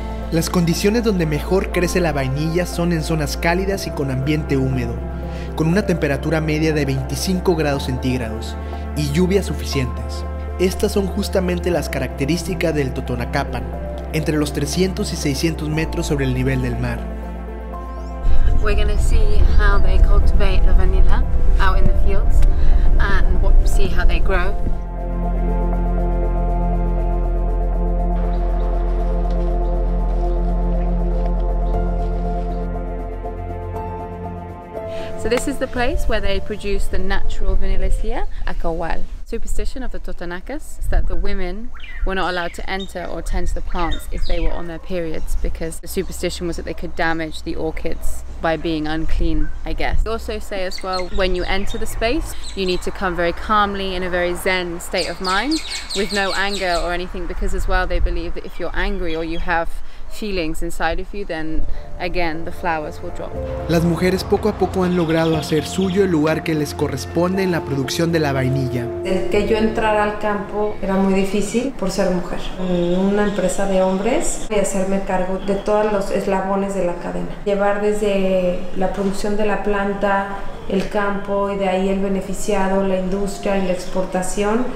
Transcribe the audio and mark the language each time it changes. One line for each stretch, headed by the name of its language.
Spanish: Las condiciones donde mejor crece la vainilla son en zonas cálidas y con ambiente húmedo, con una temperatura media de 25 grados centígrados y lluvias suficientes. Estas son justamente las características del Totonacapan, entre los 300 y 600 metros sobre el nivel del mar.
English: We're going to see how they cultivate the vanilla out in the fields and see how they grow. So this is the place where they produce the natural vanillas here, Acahual. Superstition of the Totonacas is that the women were not allowed to enter or tend to the plants if they were on their periods, because the superstition was that they could damage the orchids by being unclean, I guess. They also say as well, when you enter the space, you need to come very calmly in a very zen state of mind with no anger or anything, because as well they believe that if you're angry or you have feelings inside of you, then again the flowers will drop.
Spanish: Las mujeres poco a poco han logrado hacer suyo el lugar que les corresponde en la producción de la vainilla. El que yo entrara al campo era muy difícil por ser mujer. Una empresa de hombres y hacerme cargo de todos los eslabones de la cadena. Llevar desde la producción de la planta, el campo y de ahí el beneficiado, la industria y la exportación.